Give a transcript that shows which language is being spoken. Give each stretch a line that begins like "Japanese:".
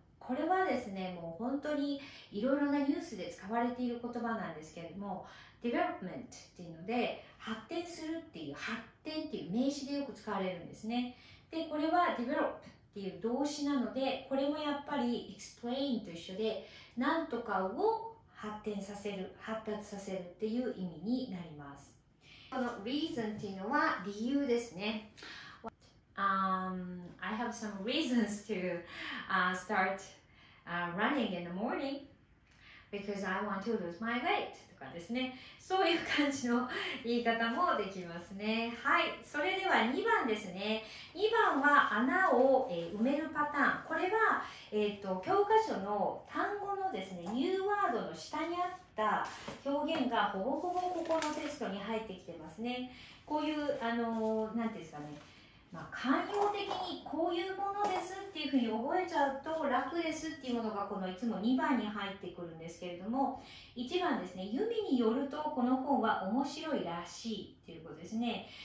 Japanese: これはですね、もう本当にいろいろなニュースで使われている言葉なんですけれども、development っていうので、発展するっていう、発展っていう名詞でよく使われるんですね。で、これは develop っていう動詞なので、これもやっぱり explain と一緒で、なんとかを発展させる、発達させるっていう意味になります。この reason っていうのは理由ですね。
English: I have some reasons to start running in the morning because I want to lose my weight
Japanese: とかですね、そういう感じの言い方もできますね。はい、それでは2番ですね。2番は穴を、埋めるパターン。これは、教科書の単語のですね、ニューワードの下にあった表現がほぼほぼここのテストに入ってきてますね。こういう、なんていうんですかね、まあ、慣用的にこういうものですっていうふうに覚えちゃうと楽ですっていうものがこのいつも2番に入ってくるんですけれども、1番ですね、由美によるとこの本は面白いらしいっていうことですね。